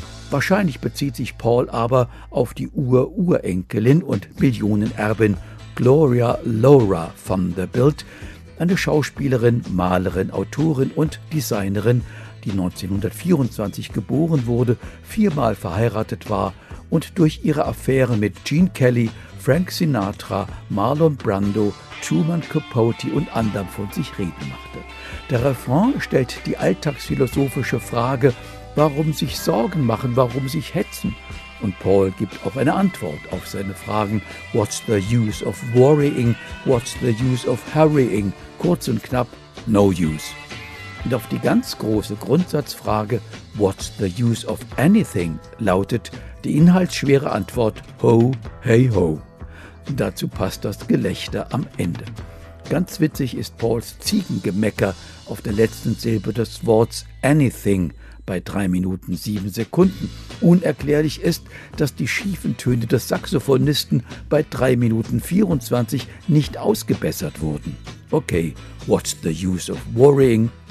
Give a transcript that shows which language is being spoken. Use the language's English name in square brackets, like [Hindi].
[German] Wahrscheinlich bezieht sich Paul aber auf die Ur-Urenkelin und Millionenerbin Gloria Laura Vanderbilt, eine Schauspielerin, Malerin, Autorin und Designerin, die 1924 geboren wurde, viermal verheiratet war und durch ihre Affäre mit Gene Kelly, Frank Sinatra, Marlon Brando, Truman Capote und anderen von sich reden machte. Der Refrain stellt die alltagsphilosophische Frage, warum sich Sorgen machen, warum sich hetzen? Und Paul gibt auch eine Antwort auf seine Fragen. [English] What's the use of worrying? What's the use of hurrying? [German] Kurz und knapp, [English] no use. [German] Und auf die ganz große Grundsatzfrage, [English] what's the use of anything, [German] lautet die inhaltsschwere Antwort, ho, hey, ho. Dazu passt das Gelächter am Ende. Ganz witzig ist Pauls Ziegengemecker auf der letzten Silbe des Worts anything bei 3 Minuten 7 Sekunden. Unerklärlich ist, dass die schiefen Töne des Saxophonisten bei 3 Minuten 24 nicht ausgebessert wurden. [English] Okay, what's the use of worrying?